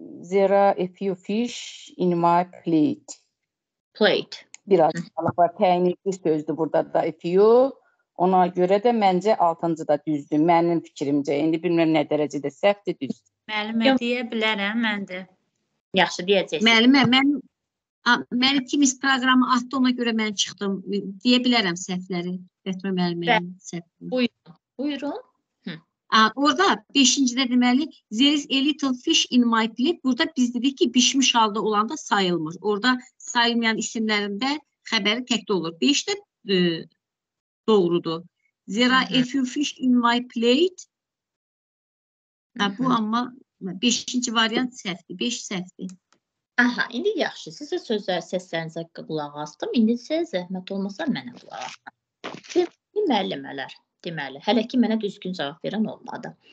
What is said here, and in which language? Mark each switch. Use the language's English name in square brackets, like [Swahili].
[English] There are a few fish in my plate. Plate. [Azerbaijani] Biraz qalaqlar təyinli sözdür burada da a few. Ona görə də məncə 6-cı da düzdür. Mənim fikrimcə. İndi bilmirəm nə dərəcədə səhvdir düzdür. Müəllimə deyə bilərəm məndə. Yaxşı deyəcəksən. Müəllimə, mən kimis proqramı atdı ona görə mən çıxdım. Deyə bilərəm səhvləri. Etmə müəllimənin səhvləri. Buyurun. Buyurun. Orada 5-ci də deməli [English] there is a little fish in my plate. [Azerbaijani] Burada biz dedik ki, bişmiş halda olan da sayılmır. Orada sayılmayan isimlərində xəbəri təkdə olur. 5-də doğrudur. [English] There are a few fish in my plate. [Azerbaijani] Bu amma 5-ci variant səhvdir. 5 səhvdir. Aha, indi yaxşı. Sizə sözlər səslərinizə qulaq astım. İndi sizə zəhmət olmasa mənə qulaq astım. Müəllimələr. Deməli, hələ ki, mənə düzgün cavab verən olmadı.